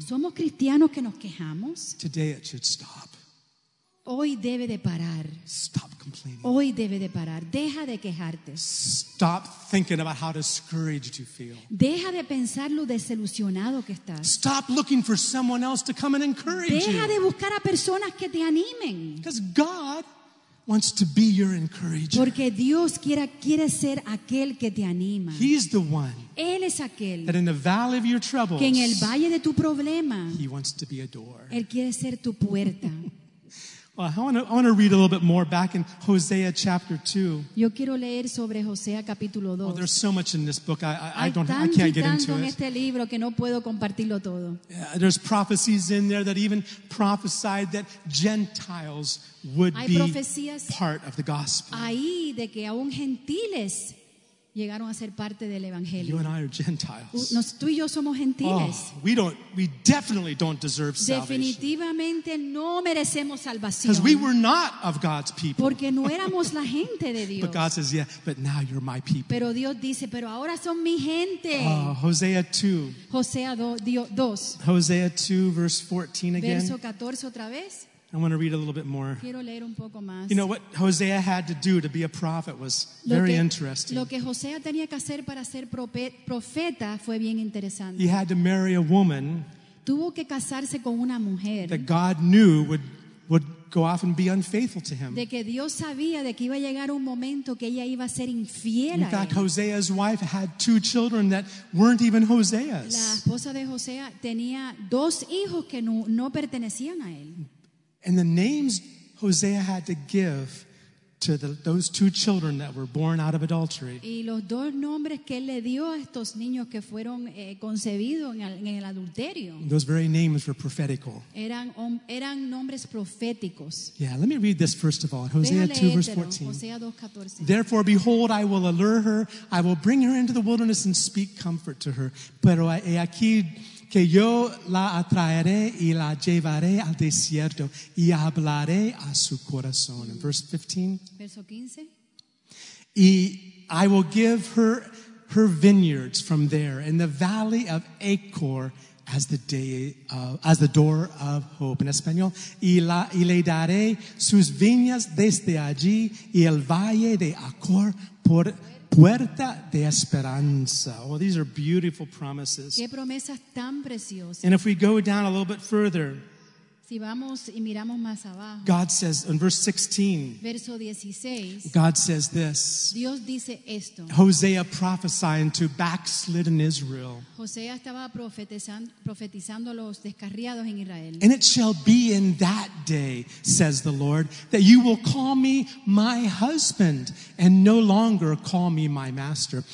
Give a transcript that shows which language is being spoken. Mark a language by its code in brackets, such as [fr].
[es] ¿Somos cristianos que nos quejamos? [en] Today it should stop. [es] Hoy debe de parar. [en] Stop complaining. [es] Hoy debe de parar. Deja de quejarte. [en] Stop thinking about how discouraged you feel. [es] Deja de pensar lo desilusionado que estás. [en] Stop looking for someone else to come and encourage [es] deja [en] you. [es] Deja de buscar a personas que te animen. [en] Because God wants to be your encourager. [es] Porque Dios quiere ser aquel que te anima. [en] He's the one. [es] Él es aquel [en] that in the valley of your troubles, [es] que en el valle de tu problema, [en] he wants to be a door. [es] Él quiere ser tu puerta. [en] Well, I want to read a little bit more back in Hosea chapter 2. [es] Yo quiero leer sobre Hosea capítulo 2. [en] Oh, there's so much in this book. I can't get into [es] en [en] it. [es] Este libro que no puedo compartirlo todo. [en] Yeah, there's prophecies in there that even prophesied that Gentiles would [es] hay [en] be [es] profecías [en] part of the gospel. [es] Ahí de que aún gentiles llegaron a ser parte del evangelio. [en] You and I are Gentiles. [es] Tú y yo somos gentiles. [en] Oh, we definitely don't deserve salvation. [es] Definitivamente no merecemos salvación. [en] Because we were not of God's people. [es] Porque no éramos la gente de Dios. [en] But God says, yeah, but now you're my people. [es] Pero Dios dice, pero ahora son mi gente. [en] Hosea 2. [es] Hosea 2. [en] Hosea 2 verse 14 again. [es] Verso 14 otra vez. [en] I want to read a little bit more. [es] Quiero leer un poco más. [en] You know, what Hosea had to do to be a prophet was very interesting. [es] Lo que Hosea tenía que hacer para ser profeta fue bien interesante. [en] He had to marry a woman [es] tuvo que casarse con una mujer [en] that God knew would go off and be unfaithful to him. [es] De que Dios sabía de que iba a llegar un momento que ella iba a ser infiel a él. [en] In fact, Hosea's wife had two children that weren't even Hosea's. [es] La esposa de Hosea tenía dos hijos que no pertenecían a él. [en] And the names Hosea had to give to those two children that were born out of adultery. [es] Y los dos nombres que él le dio a estos niños que fueron concebidos en el adulterio. [en] Those very names were prophetical. [es] Eran nombres proféticos. [en] Yeah, let me read this first of all. Hosea 2, verse 14. [es] Hosea 2, 14. [en] Therefore, behold, I will allure her. I will bring her into the wilderness and speak comfort to her. [es] Pero he aquí que yo la atraeré y la llevaré al desierto y hablaré a su corazón. [en] In verse 15. [es] Verso 15. [en] Y I will give her vineyards from there in the valley of Achor as the door of hope. [es] In español, y le daré sus viñas desde allí y el valle de Achor por Puerta de Esperanza. [en] Oh, these are beautiful promises. [es] Qué promesas tan preciosas. [en] And if we go down a little bit further, [es] si vamos y miramos más abajo, [en] God says, in verse 16, [es] verso 16, [en] God says this, [es] Dios dice esto, [en] Hosea prophesying to backslidden Israel. [es] Hosea estaba profetizando a los descarriados en Israel. [en] And it shall be in that day, says the Lord, that you will call me my husband and no longer call me my master.